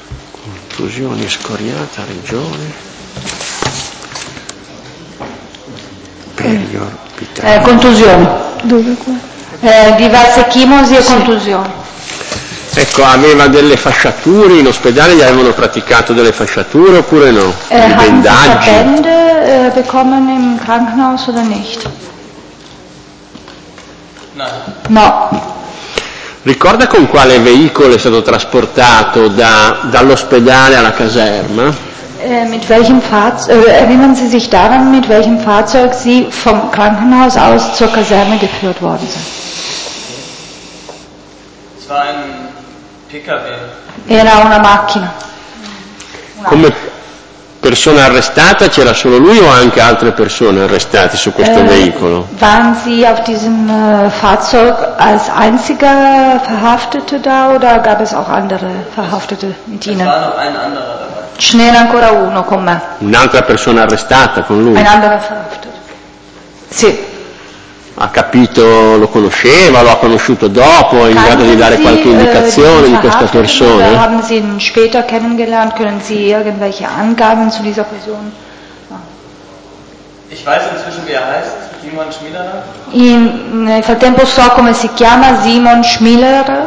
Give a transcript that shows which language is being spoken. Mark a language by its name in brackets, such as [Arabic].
[Italian] Contusioni scoriata regione Perior Pitano. Contusioni. Dove qua? Diverse chimosi e sì. Contusioni. Ecco, aveva delle fasciature in ospedale, gli avevano praticato delle fasciature oppure no? Bendaggi. [German] Verbände bekommen im Krankenhaus oder nicht? [Italian] No. No. Ricorda con quale veicolo è stato trasportato da, dall'ospedale alla caserma? [German] Mit welchem erinnern Sie sich daran, mit welchem Fahrzeug Sie vom Krankenhaus aus zur Kaserne geführt worden sind? Es war ein PKW. [Italian] Era una macchina. Come persona arrestata c'era solo lui o anche altre persone arrestate su questo veicolo? [German] Waren Sie auf diesem Fahrzeug als einziger Verhaftete da oder gab es auch andere Verhaftete mit Ihnen? Es war noch ein anderer. [Italian] Ce n'era ancora uno con me. Un'altra persona arrestata con lui? Un altro verhaftete. Sì. Ha capito, lo conosceva, lo ha conosciuto dopo, è in grado di dare qualche indicazione di questa persona? [German] Haben Sie ihn später kennengelernt? Können Sie irgendwelche Angaben zu dieser Person? Ich weiß inzwischen, wie heißt Simon Schmieler. [Italian] Nel frattempo so come si chiama Simon Schmieler.